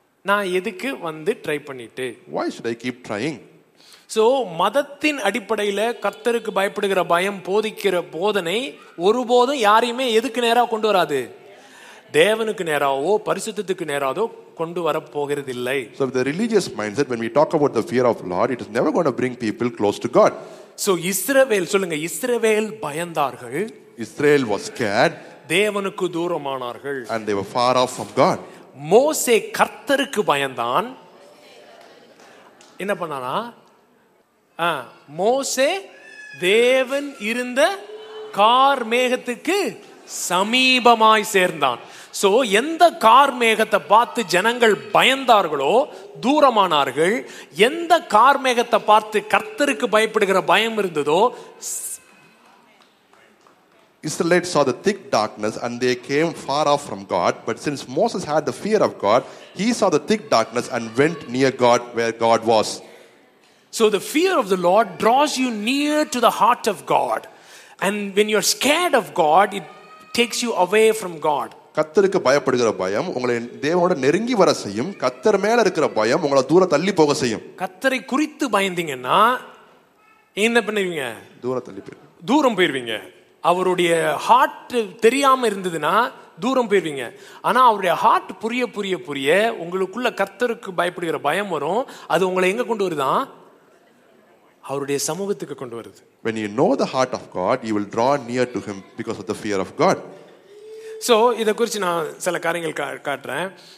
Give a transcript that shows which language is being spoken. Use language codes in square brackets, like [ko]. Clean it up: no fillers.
[ta] நான் எதுக்கு வந்து ட்ரை பண்ணிட்டு? [en] Why should I keep trying? [ta] So மதத்தின் அடிப்படையில கர்த்தருக்கு பயப்படுகிற பயம் போதிக்கிற போதனை ஒருபோதும் யாரையுமே எதுக்கு நேரா கொண்டு வராது, தேவனுக்கு நேராவோ பரிசுத்தத்துக்கு நேராதோ கொண்டு வர போகிறது இல்லை. [en] So the religious mindset, when we talk about the fear of Lord, it is never going to bring people close to God. [ta] So இஸ்ரவேல் சொல்லுங்க, இஸ்ரவேல் பயந்தார்கள், [en] Israel was scared, [ta] தேவனுக்கு தூரமானார்கள், [en] and they were far off from God. [ta] மோசே கர்த்தருக்கு பயந்தான், என்ன பண்ணானா, மோசே தேவன் இருந்த கார் மேகத்துக்கு சமீபமாய் சேர்ந்தான். சோ எந்த கார் மேகத்தை பார்த்து ஜனங்கள் பயந்தார்களோ தூரமானார்கள், எந்த கார் மேகத்தை பார்த்து கர்த்தருக்கு பயப்படுகிற பயம் இருந்ததோ. [en] Israelites saw the thick darkness and they came far off from God, but since Moses had the fear of God, he saw the thick darkness and went near God where God was. So the fear of the Lord draws you near to the heart of God, and when you're scared of God, it takes you away from God. [ta] கர்த்தருக்கு பயப்படுகிற பயம் உங்களை தேவனோடு நெருங்கி வர செய்யும், கர்த்தர் மேல இருக்கிற பயம் உங்களை தூர தள்ளி போக செய்யும். கர்த்தரை குறித்து பயந்தீங்கன்னா என்ன பண்ணுவீங்க, தூர தள்ளி போயிருங்க, தூரம் போயிருவீங்க. அவருடைய ஹார்ட் தெரியாம இருந்ததுன்னா தூரம் போயிருவீங்க, ஆனா அவருடைய ஹார்ட் புரிய புரிய புரிய உங்களுக்குள்ள கர்த்தருக்கு பயப்படுகிற பயம் வரும். அது உங்களை எங்க கொண்டு வருதான், அவருடைய சமூகத்துக்கு கொண்டு வருது. [en] When you know the heart of God, you will draw near to him because of the fear of God. [ta] So இத குறித்து நான் சில காரியங்கள் காட்டுறேன்.